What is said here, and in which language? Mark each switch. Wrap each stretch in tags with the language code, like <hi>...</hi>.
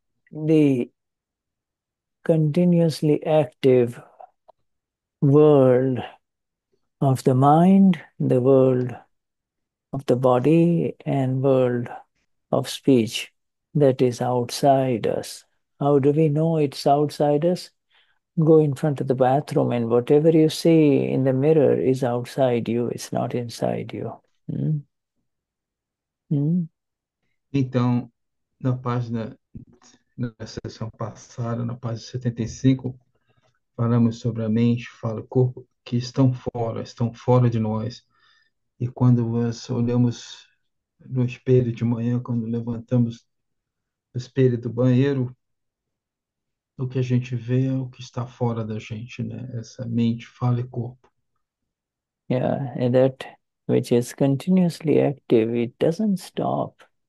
<en>the continuously active world of the mind, the world of the body and world of speech that is outside us. How do we know it's outside us? Go in front of the bathroom and whatever you see in the mirror is outside you, it's not inside you.</en> <pt>Então, na página, na sessão passada, na página 75, falamos sobre a mente, fala o corpo, que estão fora de nós. E quando nós olhamos no espelho de manhã, quando levantamos o espelho do banheiro, o que a gente vê é o que está fora da gente, né? Essa mente, fala e corpo.</pt> <en>Yeah, and that which is continuously active, it doesn't stop.</en>